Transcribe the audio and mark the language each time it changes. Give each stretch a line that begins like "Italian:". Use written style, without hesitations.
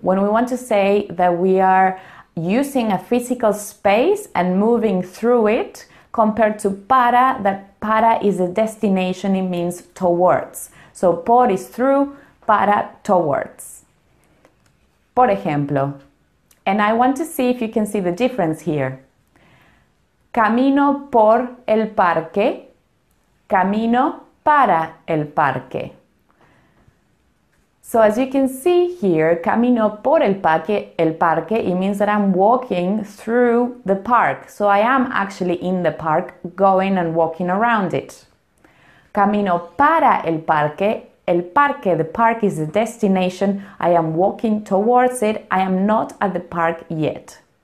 English: When we want to say that we are using a physical space and moving through it, compared to para, that para is a destination, it means towards. So por is through, para towards.
Spanish: Por ejemplo,
English: and I want to see if you can see the difference here.
Spanish: Camino por el parque, camino para el parque.
English: So as you can see here,
Spanish: camino por el parque,
English: it means that I'm walking through the park. So I am actually in the park, going and walking around it.
Spanish: Camino para el parque,
English: the park is the destination, I am walking towards it, I am not at the park yet.